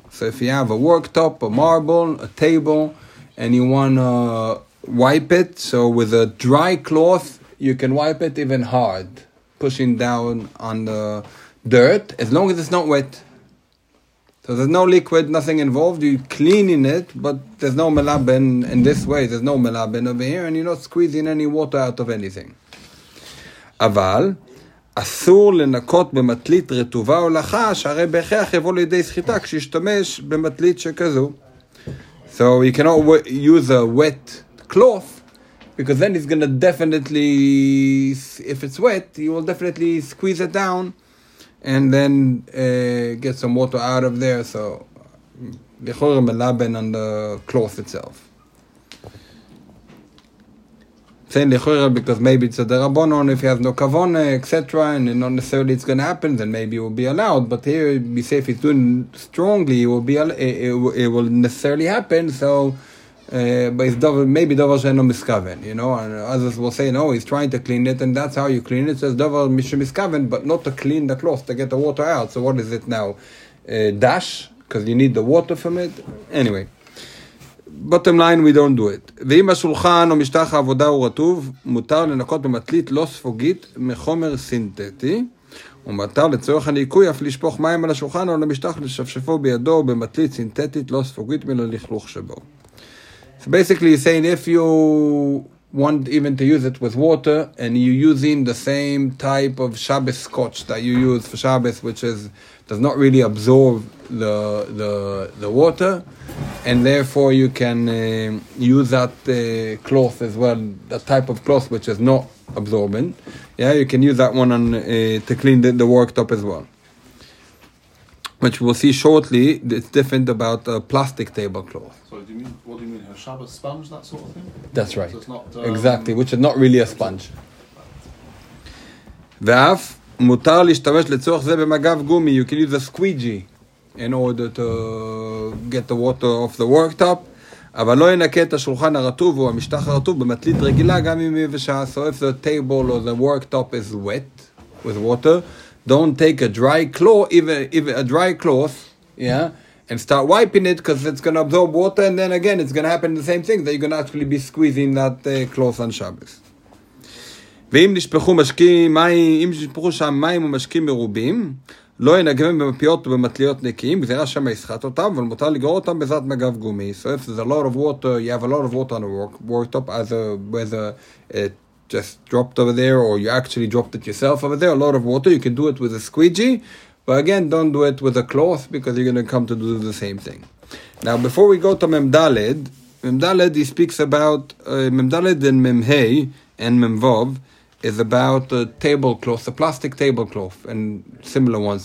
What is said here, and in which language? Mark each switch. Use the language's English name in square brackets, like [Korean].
[English] So if you have a worktop, a marble, a table, and you want to wipe it, so with a dry cloth, you can wipe it even hard, pushing down on the dirt, as long as it's not wet. So there's no liquid, nothing involved, you're cleaning it, but there's no melaben in this way, there's no melaben over here, and you're not squeezing any water out of anything. [Hebrew] אבל אסור לנקות במטלית רטובה או לחה, שהרי בהכרח יבוא לידי סחיטה כשישתמש במטלית שכזו. [English] So you cannot use a wet cloth, because then it's going to definitely, if it's wet, you will definitely squeeze it down, and then get some water out of there, so [Hebrew] לכל מלבן [English] on the cloth itself. Saying lechura because maybe it's a derabonon if he has no kavone, etc. And not necessarily it's going to happen, then maybe it will be allowed. But here, we say if he's doing strongly, it will necessarily happen. So, but it's dover, maybe dover she'no miskaven, you know. And others will say, no, he's trying to clean it, and that's how you clean it. So it's dover mishu miskaven, but not to clean the cloth, to get the water out. So what is it now? Dash? Because you need the water from it? Anyway. Bottom line, we don't do it. [Hebrew] ואם השולחן או משטח העבודה הוא רטוב, מותר לנקות במטלית לא ספוגית מחומר סינתטי, ומותר לצורך הניקוי אף לשפוך מים על השולחן או למשטח לשפשפו בידו במטלית סינתטית לא ספוגית מן הלכלוך שבו. [English] So basically he's saying if you want even to use it with water and you're using the same type of Shabbos scotch that you use for Shabbos, which is does not really absorb the water, and therefore you can use that cloth as well, the type of cloth which is not absorbent. Yeah, you can use that one on to clean the worktop as well, which we'll see shortly. It's different about a plastic tablecloth. So what do you mean a Shabbos sponge, that sort of thing? That's right. So it's not, exactly, which is not really a sponge. [Hebrew] ואף מותר להשתמש לצורך זה במגב גומי. [English] You can use a squeegee in order to get the water off the worktop. [Hebrew] אבל לא ינקה את השולחן הרטוב או המשטח הרטוב במטלית רגילה, גם אם יבשה. [English] So if the table or the worktop is wet with water, don't take a dry cloth, even a dry cloth, yeah, and start wiping it, because it's going to absorb water, and then again, it's going to happen the same thing, that you're going to actually be squeezing that cloth on Shabbos. [Hebrew] ואם נשפחו משקים מים, אם נשפחו שם מים ומשקים מרובים, לא ינגמם במפיות ובמטליות נקיים, זה רשם הישחת אותם, אבל מותר לגרור אותם בזאת מגב גומי. [English] So if there's a lot of water, you have a lot of water on the worktop, whether it just dropped over there, or you actually dropped it yourself over there, a lot of water, you can do it with a squeegee, but again, don't do it with a cloth, because you're going to come to do the same thing. Now, before we go to Mem Daled, he speaks about, Mem Daled and Mem Hei, and Mem Vav, is about the tablecloth, the plastic tablecloth, and similar ones.